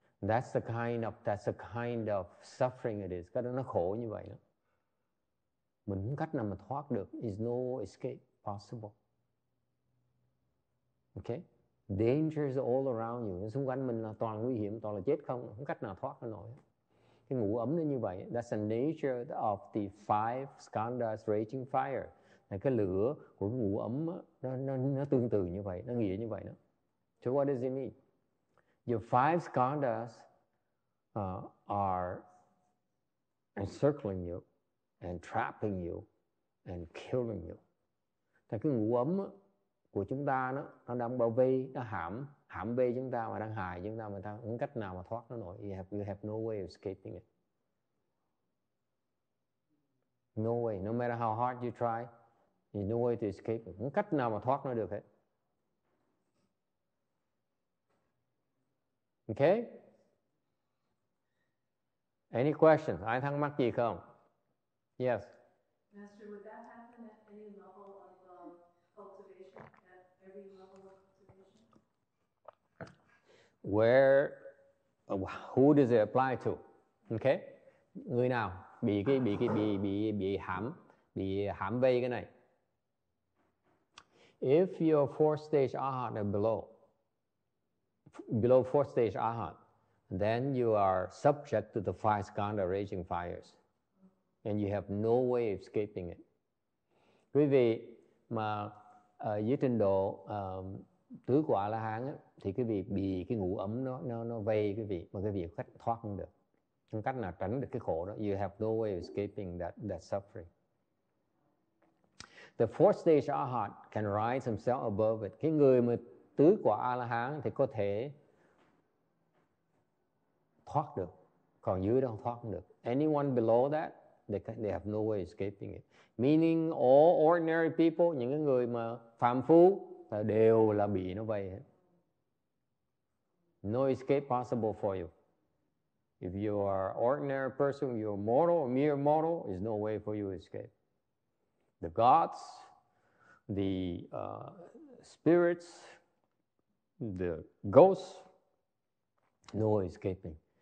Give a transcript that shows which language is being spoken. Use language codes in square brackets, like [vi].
[en] That's the kind of suffering it is. [vi] Cái đó nó khổ như vậy đó. Mình không cách nào mà thoát được. [en] Is no escape possible. Okay. Dangers all around you. [vi] Xung quanh mình là toàn nguy hiểm, toàn là chết không, không cách nào thoát nổi. Cái ngũ ấm nó như vậy. [en] That's the nature of the five skandhas raging fire. [vi] Là cái lửa của cái ngũ ấm đó, nó tương tự như vậy, nó nghĩa như vậy đó. [en] So what does it mean? Your five skandhas are encircling you and trapping you and killing you. [vi] Là cái ngũ ấm của chúng ta đó, nó đang bao vây, nó hãm vây chúng ta và đang hại chúng ta, mà ta không cách nào mà thoát nó nổi. [en] You have no way of escaping it. No way, no matter how hard you try, you have no way to escape it. [vi] Không cách nào mà thoát nó được hết. [en] Okay? Any questions? [vi] Ai thắc mắc gì không? [en] Yes. Master, would that happen at any level of where, who does it apply to? [vi] Okay, người nào bị hãm vây cái này? [en] If you're fourth stage arhat and below fourth stage arhat, then you are subject to the five skandha raging fires, and you have no way of escaping it. [vi] Quý vị mà dưới trình độ tứ quả la hán á, thì quý vị bị cái ngũ ấm nó vây quý vị, mà quý vị không cách thoát không được, không cách nào tránh được cái khổ đó. [en] You have no way of escaping that suffering. The fourth stage arhat can rise himself above it. [vi] Cái người mà tứ quả a la hán thì có thể thoát được, còn dưới đó không thoát được. [en] Anyone below that, they have no way of escaping it. Meaning all ordinary people, [vi] những cái người mà phàm phu đều là bị nó vây hết. [en] No escape possible for you. If you are ordinary person, you're mortal, a mere mortal, there's no way for you to escape. The gods, the spirits, the ghosts, no escaping.